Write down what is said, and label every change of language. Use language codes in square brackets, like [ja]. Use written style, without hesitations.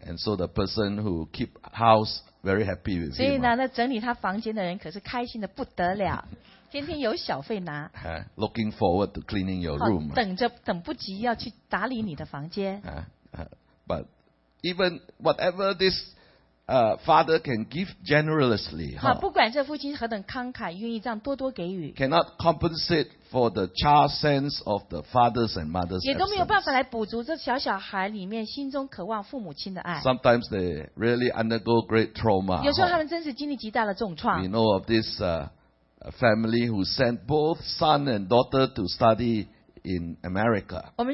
[en] And so the person who keep house very happy with him. [zh] 所以呢, 那整理他房间的人可是开心的不得了。今天有小费拿, [en] looking forward to cleaning your room. [zh] 等着等不及要去打理你的房间。 [en] But even whatever this father can give generously, [zh] 不管这父亲何等慷慨愿意这样多多给予, [en] cannot compensate for the child's sense of the father's and mother's absence. [zh] 也都没有办法来补足这小小孩里面心中渴望父母亲的爱。 [en] Sometimes they really undergo great trauma. [zh] 有时候他们真是经历极大的重创。 [en] We know of this family who sent both son and daughter to study in America.